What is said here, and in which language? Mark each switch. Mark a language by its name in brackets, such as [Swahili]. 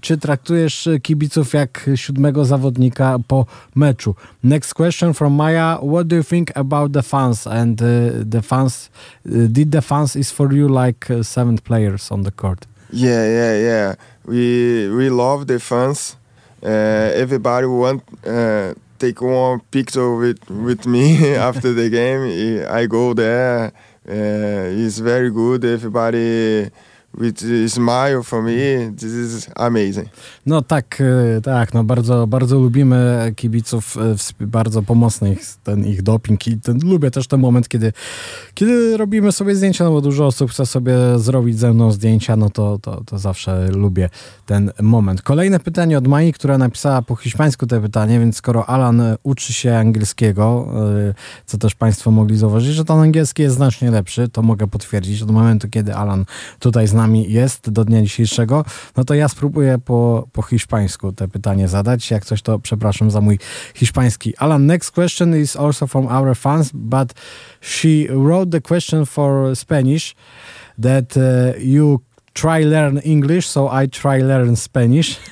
[Polish] Czy traktujesz kibiców jak siódmego zawodnika po meczu? [English] Next question from Maya. What do you think about the fans? And the fans, did the fans is for you like seventh players on the court? Yeah. We love the fans. Everybody want take one picture with me after the game. I go there. It's very good. Everybody with a smile for me. This is amazing. [Polish] No tak, tak. No bardzo, bardzo lubimy kibiców. Bardzo pomocny ten ich doping. I ten, lubię też ten moment, kiedy robimy sobie zdjęcia, no bo dużo osób chce sobie zrobić ze mną zdjęcia. No to zawsze lubię ten moment. Kolejne pytanie od Mai, która napisała po hiszpańsku te pytanie, więc skoro Alan uczy się angielskiego, co też państwo mogli zauważyć, że ten angielski jest znacznie lepszy, to mogę potwierdzić. Od momentu, kiedy Alan tutaj z nami jest do dnia dzisiejszego, no to ja spróbuję po hiszpańsku te pytanie zadać. Jak coś, to przepraszam za mój hiszpański. [English] Alan, next question is also from our fans, but she wrote the question for Spanish that you try learn English, so I try learn Spanish.